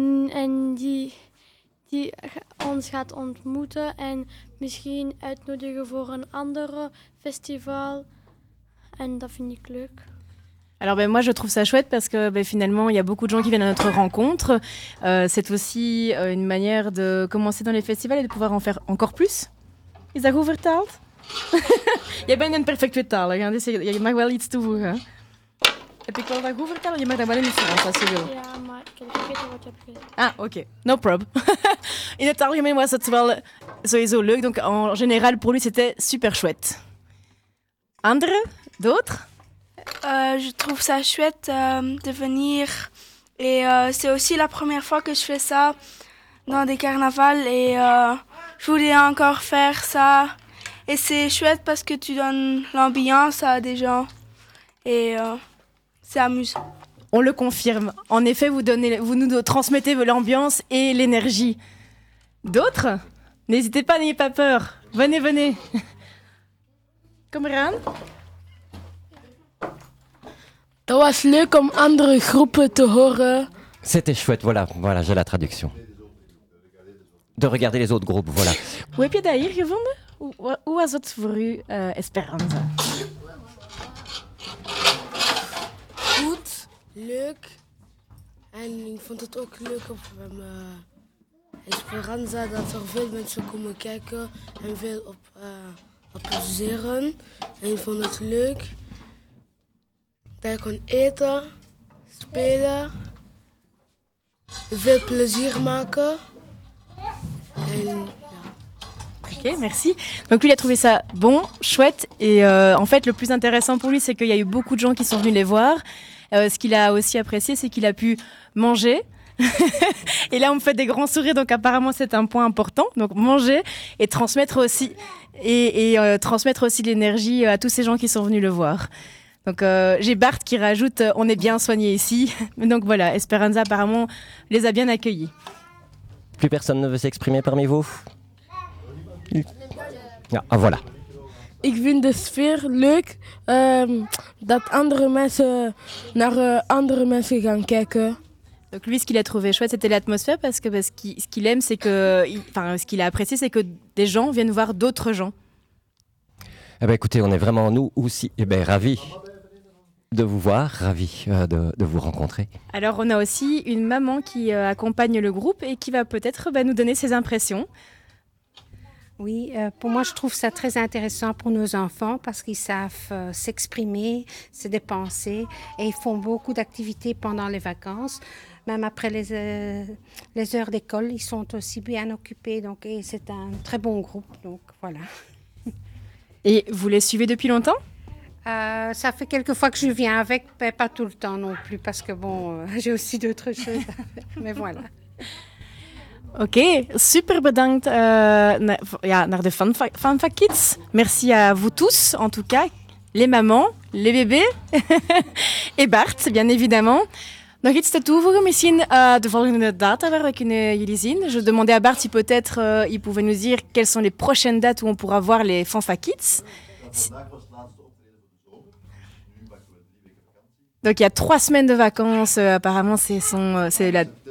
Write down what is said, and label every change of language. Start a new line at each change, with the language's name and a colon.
Dutch: En die ons gaat ontmoeten en misschien uitnodigen voor een ander festival. En dat vind ik leuk.
French: Alors ben moi je trouve ça chouette parce que ben finalement il y a beaucoup de gens qui viennent à notre rencontre. C'est aussi une manière de commencer dans les festivals et de pouvoir en faire encore plus.
Dutch: Is dat goed vertaald? Je bent een perfecte vertaler, dus je mag wel iets toevoegen. Heb ik wel dat goed vertaald? Je mag dat wel in het Frans, als je wil. Ja, maar ik heb vergeten wat je hebt gezegd. Ah, oké.
English: Okay. No problem.
Dutch: In het algemeen was het wel sowieso leuk,
French: donc en général pour lui c'était super chouette.
Dutch: Andere?
French: D'autres? Je trouve ça chouette de venir et c'est aussi la première fois que je fais ça dans des carnavals et je voulais encore faire ça et c'est chouette parce que tu donnes l'ambiance à des gens et c'est amusant. On le confirme, en effet vous nous transmettez l'ambiance et l'énergie. D'autres ? N'hésitez pas, n'ayez pas peur, venez. Kameran ?
Dutch: Dat was leuk om andere groepen te horen.
French: C'était chouette, voilà, j'ai la traduction. De regarder les autres groupes, voilà.
Dutch: Hoe heb je dat hier gevonden? Hoe was het voor u, Esperanza? Goed, leuk. En ik vond het ook leuk op Esperanza dat er veel mensen komen kijken en veel op appreciëren. En ik vond het leuk. Dat je kon eten, spelen, veel plezier maken. Ja. Oké,
French: merci. Donc lui, il a trouvé ça bon, chouette. Et en fait, le plus intéressant pour lui, c'est qu'il y a eu beaucoup de gens qui sont venus les voir. Ce qu'il a aussi apprécié, c'est qu'il a pu manger. Et là, on me fait des grands sourires, donc apparemment, c'est un point important. Donc manger et transmettre aussi, transmettre aussi l'énergie à tous ces gens qui sont venus le voir. Donc j'ai Bart qui rajoute « On est bien soigné ici ». Donc voilà, Esperanza apparemment les a bien accueillis. Plus personne ne veut s'exprimer parmi vous ? Ah, voilà.
Dutch: Ik vind de sfeer leuk dat andere mensen naar andere mensen gaan kijken.
French: Donc lui, ce qu'il a trouvé chouette, c'était l'atmosphère parce que ce qu'il aime, c'est que... Enfin, ce qu'il a apprécié, c'est que des gens viennent voir d'autres gens. Eh bien écoutez, on est vraiment nous aussi ravis de vous voir, ravis de vous rencontrer. Alors on a aussi une maman qui accompagne le groupe et qui va peut-être nous donner ses impressions. Oui, pour moi je trouve ça très intéressant pour nos enfants parce qu'ils savent s'exprimer, se dépenser et ils font beaucoup d'activités pendant les vacances. Même après les heures d'école, ils sont aussi bien occupés donc, et c'est un très bon groupe. Donc voilà. Et vous les suivez depuis longtemps ? Ça fait quelques fois que je viens avec, mais pas tout le temps non plus, parce que bon, j'ai aussi d'autres choses. Mais voilà.
Dutch: Ok, super bedankt naar de Fanfa Kids.
French: Merci à vous tous, en tout cas, les mamans, les bébés, et Bart, bien évidemment.
Dutch: Nog iets te toevoegen, misschien de volgende data waar we kunnen jullie zien.
French: Je demandais à Bart si peut-être il pouvait nous dire quelles sont les prochaines dates où on pourra voir les Fanfa Kids. Donc il y a 3 semaines de vacances, apparemment c'est la...